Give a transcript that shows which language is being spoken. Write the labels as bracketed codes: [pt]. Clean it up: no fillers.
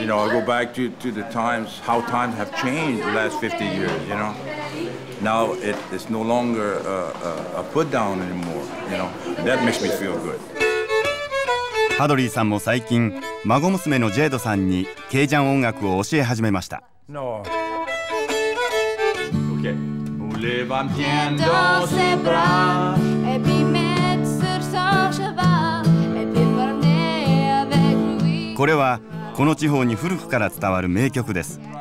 [en] You know, I go back to the times, how times have changed the last 50 years, you know. Now it's no longer a put down anymore, you know. That makes me feel good. [ja] ハドリーさんも最近、孫娘のジェードさんにケージャン音楽を教え始めました。 [en] No. [fr] Les va me tient dans ses bras et puis met sur son cheval et puis promener avec lui. [ja] これはこの地方に古くから伝わる名曲です。